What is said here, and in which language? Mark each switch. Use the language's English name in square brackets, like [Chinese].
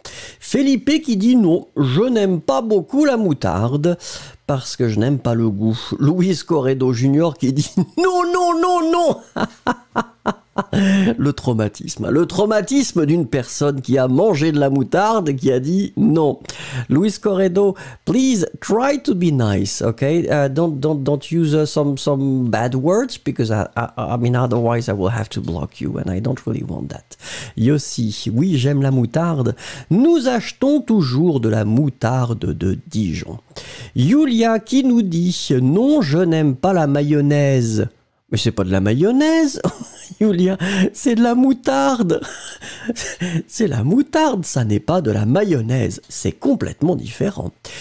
[French] Felipe qui dit « Non, je n'aime pas beaucoup la moutarde parce que je n'aime pas le goût ». Luis Corredo Junior qui dit « Non, non, non, non !» Le traumatisme d'une personne qui a mangé de la moutarde qui a dit « Non ». [English] Luis Corredo, please try to be nice, okay? Don't use some bad words because I mean otherwise I will have to block you and I don't really want that. [French] Yossi, oui j'aime la moutarde. Nous achetons toujours de la moutarde de Dijon. Julia qui nous dit non je n'aime pas la mayonnaise. Mais c'est pas de la mayonnaise, Julia, c'est de la moutarde. C'est la moutarde, ça n'est pas de la mayonnaise. C'est complètement différent.